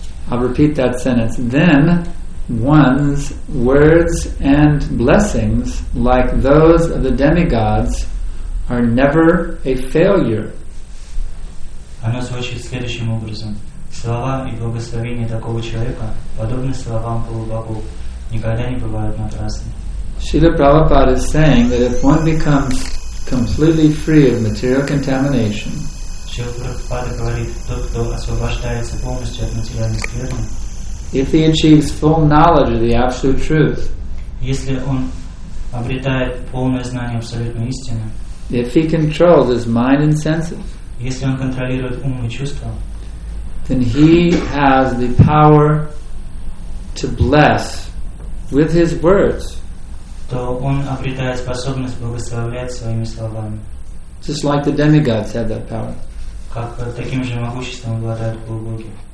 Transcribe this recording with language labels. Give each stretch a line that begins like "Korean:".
English: I'll repeat that sentence. Then, one's words and blessings, like those of the demigods, are never a failure.
Russian: Оно звучит следующим образом. Слова и благословения такого человека, подобны словам полубогов, никогда не бывают напрасны.
English: Srila Prabhupada is saying that if one becomes completely free of material contamination,
Russian: Srila Prabhupada говорит, тот, кто освобождается полностью от материальной скверны,
English: if he achieves full knowledge of the Absolute Truth,
Russian: если он обретает полное знание абсолютной истины,
English: if he controls his mind and senses,
Russian: если он контролирует ум и чувства,
English: then he has the power to bless with his words.
Russian: То он обретает способность благословлять своими словами.
English: Just like the demigods have that power.
Russian: Как таким же могуществом обладают полубоги.